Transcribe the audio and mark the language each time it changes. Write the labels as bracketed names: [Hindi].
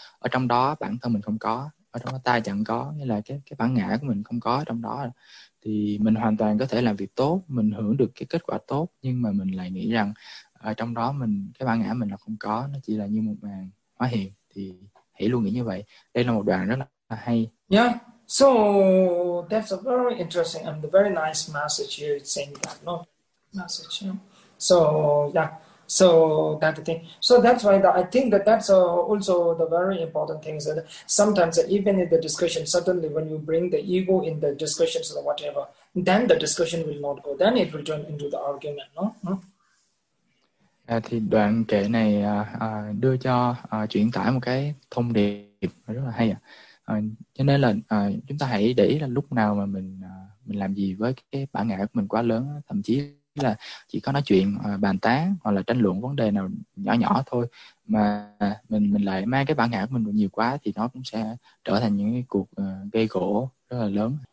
[Vietnamese] Ở trong đó bản thân mình không có, ở trong đó ta chẳng có, nghĩa là cái bản ngã của mình không có ở trong đó. Thì mình hoàn toàn có thể làm việc tốt, mình hưởng được cái kết quả tốt, nhưng mà mình lại nghĩ rằng ở trong đó mình cái bản ngã mình là không có, nó chỉ là như một màn hóa hiện. Thì hãy luôn nghĩ như vậy. Đây là một đoạn rất là hay. [English] Yeah, so that's a very interesting and very nice message here saying that, no? Message, yeah. So yeah, so that thing. So that's why I think that that's also the very important thing, is that sometimes even in the discussion, suddenly when you bring the ego in the discussions or whatever, then the discussion will not go. Then it will turn into the argument, no? [Vietnamese] À, thì đoạn kệ này đưa cho chuyển tải một cái thông điệp rất là hay. Cho nên là chúng ta hãy để ý là lúc nào mà mình làm gì với cái bản ngã của mình quá lớn, thậm chí là chỉ có nói chuyện bàn tán hoặc là tranh luận vấn đề nào nhỏ nhỏ thôi, mà mình lại mang cái bản ngã của mình nhiều quá, thì nó cũng sẽ trở thành những cái cuộc gây gổ rất là lớn.